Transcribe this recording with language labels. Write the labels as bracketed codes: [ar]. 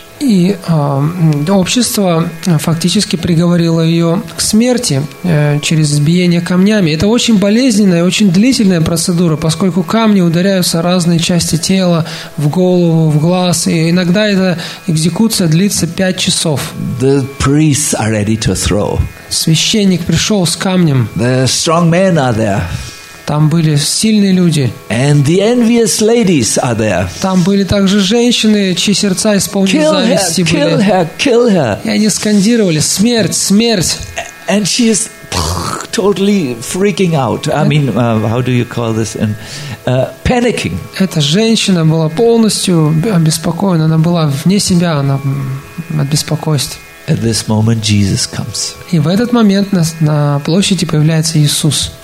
[ru] И общество фактически приговорило ее к смерти через избиение камнями. Это очень болезненная, очень длительная процедура, поскольку камни ударяются в разные части тела, в голову, в глаз, и иногда эта экзекуция длится 5 часов. [en] The priests are ready to throw. [ru] Священник пришел с камнем. [en] The strong men are there. [ru] Там были сильные люди. [en] And the envious ladies are there. [ru] Там были также женщины, чьи сердца исполнены зависти были. [en] Kill her, kill her. [ru] И они скандировали: смерть, смерть. [en] And she is totally freaking out. I mean, how do you call this? Panicking. [ru] Эта женщина была полностью обеспокоена. Она была вне себя, она от беспокойства. [en] At this moment Jesus comes. [ru] И в этот момент на площади появляется Иисус.